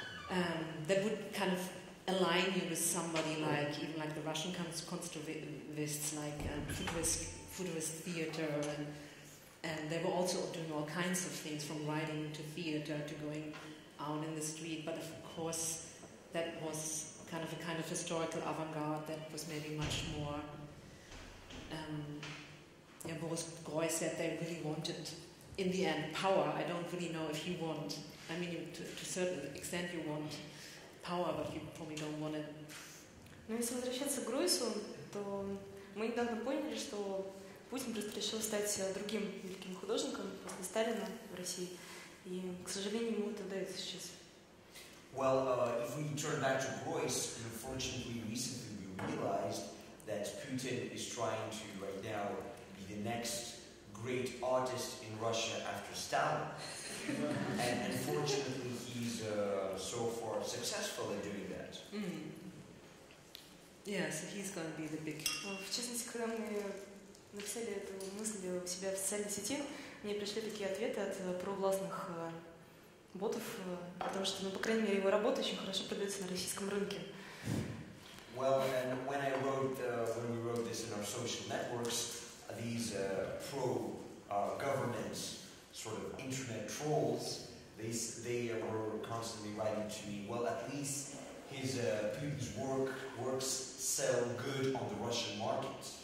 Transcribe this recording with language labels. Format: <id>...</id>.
<en>that would kind of align you with somebody like, even like the Russian Kunstwerkists, like Futurist Theater, and they were also doing all kinds of things, from writing to theater to going out in the street, but of course that was kind of historical avant-garde that was maybe much more, Boris Groy said they really wanted, in the end, power. I don't really know if you want, I mean, to a certain extent you want power, but you probably don't want it.</en> <ru>Ну, если возвращаться к Гройсу, то мы недавно поняли, что Путин просто решил стать другим великим художником после Сталина в России. И, к сожалению, ему это удается сейчас.</ru> <en>Well, if we turn back to Gross, unfortunately, recently we realized that Putin is trying to, right now, be the next great artist in Russia after Stalin. And unfortunately, he's so far successful in doing that. Mm. Yeah, so he's going to be the big...</en> <ru>В частности, когда мы написали эту мысль у себя в социальной сети, мне пришли такие ответы от провластных ботов, потому что, ну, по крайней мере, его работа очень хорошо продается на российском рынке.</ru> <en>Well, and when I wrote, when we wrote this in our social networks, these pro-government sort of internet trolls, they were constantly writing to me, well, at least his Putin's works sell good on the Russian market.</en>